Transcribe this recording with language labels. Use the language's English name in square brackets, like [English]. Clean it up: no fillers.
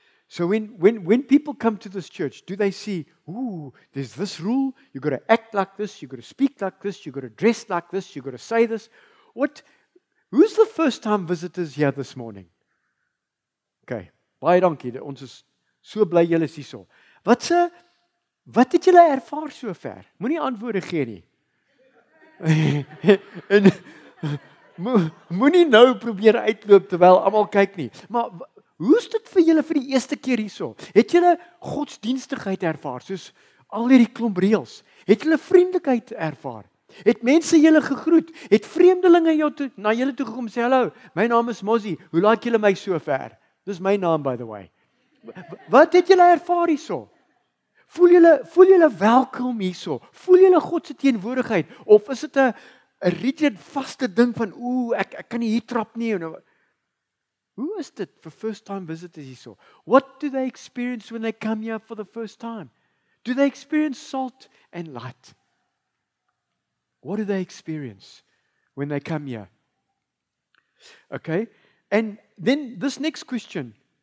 [English] So when people come to this church, do they see, ooh, there's this rule, you've got to act like this, you've got to speak like this, you've got to dress like this, you've got to say this. Who's the first time visitors here this morning? [Afrikaans] Okay, baie dankie, ons is so bly julle is hier. Wat het julle ervaar so ver? Moenie antwoorde gee nie. En moenie nou probeer uitloop terwyl almal kyk nie. Maar Hoe is dit vir julle vir die eerste keer hierso? Het julle godsdienstigheid ervaar, soos al hierdie klomp reels? Het julle vriendelikheid ervaar? Het mense julle gegroet? Het vreemdelinge jou na julle toe gekom sê, hallo, my naam is Mozzie, hoe laat julle my so ver? Dis my naam, [English] by the way. [Afrikaans] Wat het julle ervaar hierso? Voel julle welkom hierso? Voel julle God se teenwoordigheid? Of is dit 'n rigid vaste ding van, ooh, ek kan nie hier trap nie? Hoe is dit vir [English] first time visitors [Afrikaans] hierso? [English] What do they experience when they come here for the first time? Do they experience salt and light? What do they experience when they come here? Okay, and then this next question.